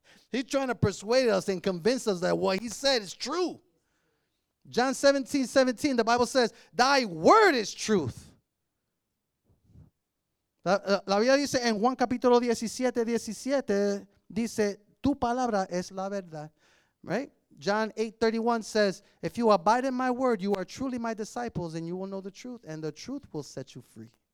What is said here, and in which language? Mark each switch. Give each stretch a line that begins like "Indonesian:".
English: He's trying to persuade us and convince us that what he said is true. John 17:17, the Bible says, thy word is truth.
Spanish: La Biblia dice en Juan capítulo 17:17, dice, tu palabra es la verdad.
English: Right? John 8:31 says, if you abide in my word, you are truly my disciples, and you will know the truth, and the truth will set you free.